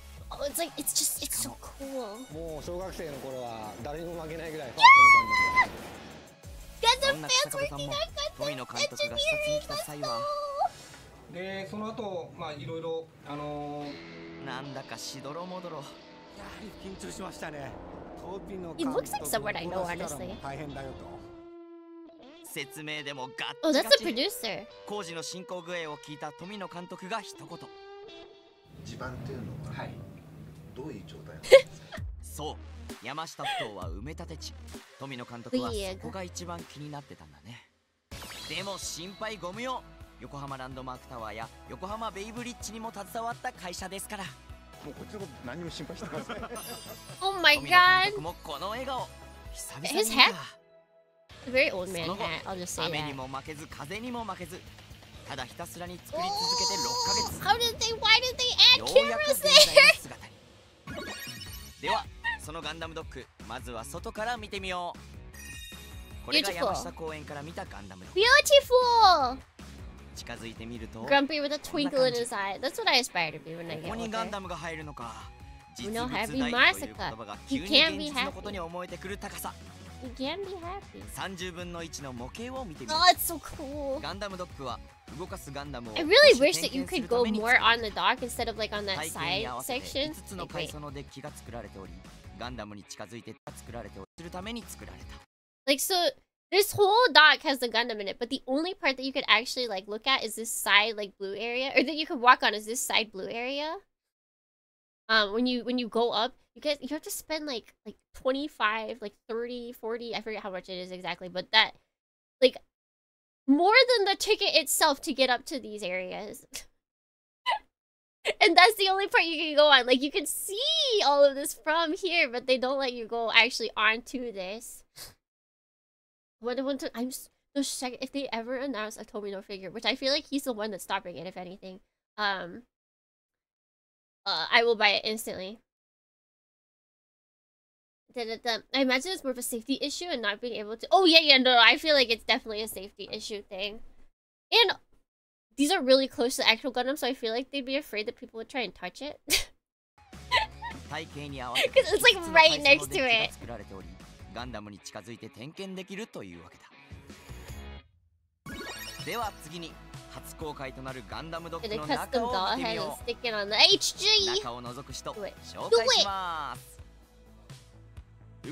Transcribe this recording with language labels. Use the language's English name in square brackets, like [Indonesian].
[English] Oh, it's so cool. Yeah! Get the fans working on [Japanese] 富野監督が視察に来た際は、でその後まあいろいろなんだかしどろもどろ。やはり緊張しましたね。富野 [English] 監督。It looks like someone I know, honestly. [Japanese] 大変だよと。説明でもガッ [English] チガチ。Oh, that's the producer. [Japanese] 工事の進行具合を聞いた富野監督が一言。地盤というのは、はい、どういう状態なんですか。そう。山下ふ頭は埋め立て地、富野監督はそこが一番気になってたんだね。でも心配ご無用、横浜ランドマークタワーや横浜ベイブリッジにも携わった会社ですから。もうこっちのこと何も心配してません。富野監督もこの笑顔、久々に [English] 見た。Very old man. I'll just say [Japanese] 雨にも負けず風にも負けず、ただひたすらに作り続けて6ヶ月、 [English] oh! How did they, why did they add cameras there? [Japanese] ではそのガンダムドック、まずは外から見てみよう。これが山下公園から見たガンダム [English] ドック。Beautiful! [Japanese] 近づいてみると、 [English] Grumpy with a twinkle in his eye. That's what I aspire to be when I get older. [Japanese] ここにガンダムが入るのか。実物大という言葉が急に現実のことに思えてくる高さ。 [English] He can be happy. [Japanese] 30分の1の模型を見てみ [English] よう。Oh, it's so cool! [Japanese] ガンダムドックは、動かすガンダムを、 [English] I really wish that you could go more on the dock instead of like on that side section. [Japanese] 5つの階層のデッキが作られており、ガンダムに近づいて作られておるために作られた。 [English] Like, so this whole dock has the Gundam in it, but the only part that you could actually like look at is this side like blue area, or that you could walk on is this side blue area. When you go up, you have to spend like 25, like 30, 40, I forget how much it is exactly, but that like more than the ticket itself to get up to these areas. And that's the only part you can go on. Like, you can see all of this from here, but they don't let you go actually onto this. What I want to, I'm so shocked if they ever announce a Tomino no figure, which I feel like he's the one that's stopping it, if anything. I will buy it instantly. I imagine it's more of a safety issue and not being able to. Oh, yeah, yeah, no, I feel like it's definitely a safety issue thing. And these are really close to the actual Gundam, so I feel like they'd be afraid that people would try and touch it. Because it's like right next to it. [Japanese] ガンダムに近づいて点検できるというわけだ。では次に初公開となるガンダムドックの中を見てみよう。中を覗く人、紹介します。